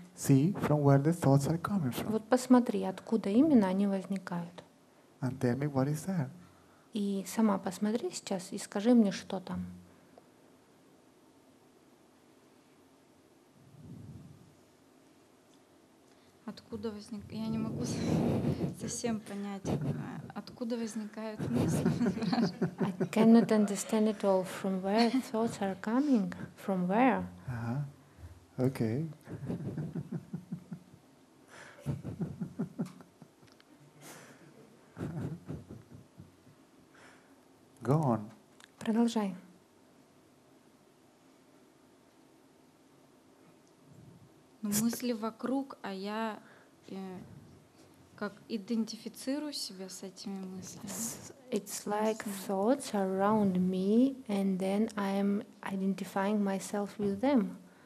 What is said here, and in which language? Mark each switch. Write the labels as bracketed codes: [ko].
[en] See, from where the thoughts are coming from. [ru] Вот посмотри, откуда именно они возникают. [en] And tell me what is there. [ru] И сама посмотри сейчас и скажи мне, что там. Откуда возникают... Я не могу совсем понять. Откуда возникают мысли? [en] I cannot understand it all. From where thoughts are coming? From where? Okay. Go on. [ru] Продолжай. Но мысли вокруг, а я... как идентифицирую себя с этими мыслями. [en] It's like thoughts around me, and then I'm identifying myself with them.